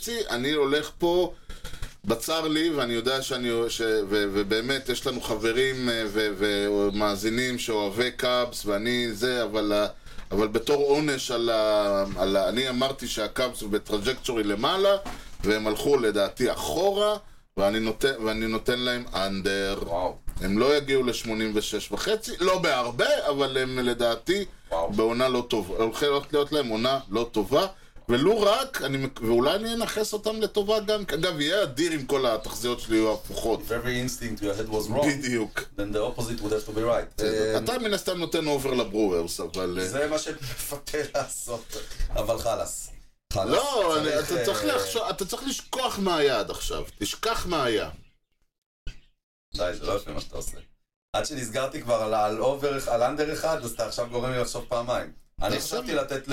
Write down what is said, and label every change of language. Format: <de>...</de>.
<he>אני הולך פה בצר לי, ואני יודע שאני ובאמת יש לנו חברים ומאזינים שאוהבי קאבס ואני זה, אבל בתור עונש על אני אמרתי שהקאבס בטראג'קטורי למעלה, והם הלכו לדעתי אחורה, ואני נותן להם אנדר. הם לא יגיעו ל-86.5, לא בהרבה, אבל הם לדעתי בעונה לא טובה. הולכת להיות להם עונה לא טובה, ולו רק, ואולי אני אנחס אותם לטובה גם, אגב, יהיה אדיר אם כל התחזיות שלי יהיו הפוכות.</he> <en>If every instinct your head was wrong,</en> <he>בדיוק.</he> <en>Then the opposite would have to be right.</en> <he>אתה מן הסתם נותן אובר לברוורס, אבל... זה מה שמפתה לעשות, אבל חלס. לא, אתה צריך לשכוח מה היה עד עכשיו, תשכח מה היה. די, זה לא יפה מה שאתה עושה. עד שנסגרתי כבר על אובר, על אנדר אחד, אז אתה עכשיו גורם לי לחשוב פעמיים. אני חשבתי לתת ל...</he>